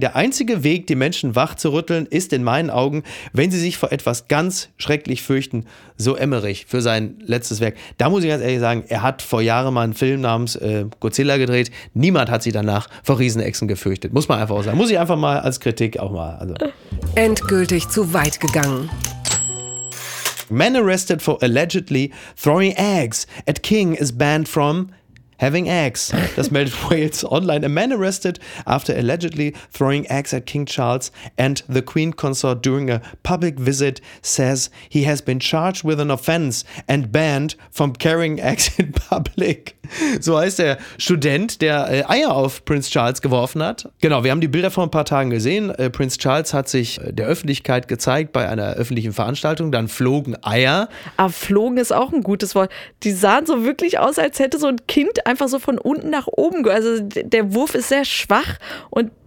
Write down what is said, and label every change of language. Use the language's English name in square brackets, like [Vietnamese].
[German] Der einzige Weg, die Menschen wach zu rütteln, ist in meinen Augen, wenn sie sich vor etwas ganz schrecklich fürchten, so Emmerich für sein letztes Werk. Da muss ich ganz ehrlich sagen, er hat vor Jahren mal einen Film namens Godzilla gedreht. Niemand hat sich danach vor Riesenechsen gefürchtet. Muss man einfach auch sagen. Muss ich einfach mal als Kritik auch mal. Also. Endgültig zu weit gegangen. [English] Man arrested for allegedly throwing eggs at King is banned from having eggs. [German] Das meldet Wales Online. [English] A man arrested after allegedly throwing eggs at King Charles and the Queen Consort during a public visit says he has been charged with an offense and banned from carrying eggs in public. [German] So heißt der Student, der Eier auf Prinz Charles geworfen hat. Genau, wir haben die Bilder vor ein paar Tagen gesehen. Prinz Charles hat sich der Öffentlichkeit gezeigt bei einer öffentlichen Veranstaltung. Dann flogen Eier. Aber flogen ist auch ein gutes Wort. Die sahen so wirklich aus, als hätte so ein Kind einfach so von unten nach oben. Also der Wurf ist sehr schwach und